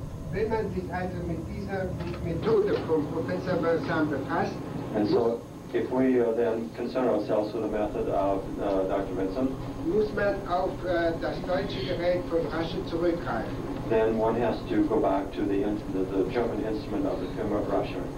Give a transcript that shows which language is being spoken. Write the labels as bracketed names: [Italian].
[German] Wenn man sich also mit dieser Methode von Professor Bersan befasst, [English] and so if we then concern ourselves with the method of Dr. Vincent, [German] muss man auf das deutsche Gerät von Rasche zurückgreifen. [English] Then one has to go back to the German instrument of the firm of Rasche.